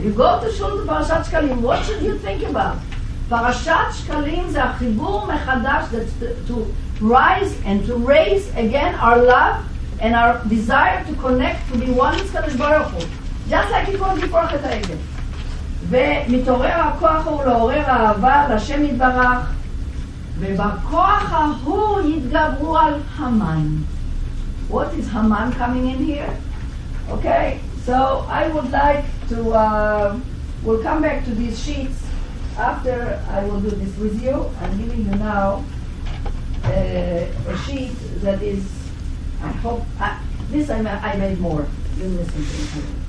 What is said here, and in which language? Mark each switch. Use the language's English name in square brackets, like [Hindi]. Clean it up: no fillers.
[English] You go to shul to Parashat Shkalim, what should you think about? Parashat Shkalim [Hebrew] זה החיבור מחדש, [English] that's to rise and to raise again our love and our desire to connect, to be one with Kadosh Baruch Hu. Just like you called before Chetayegel. [Hebrew] ומתעורר הכוח הוא לעורר אהבה לשם יתברך, ובכוח ההוא יתגברו על המן. [English] What is המן coming in here? Okay, so I would like to, we'll come back to these sheets after I will do this with you. I'm giving you now a sheet that is, I made more. You listen to me.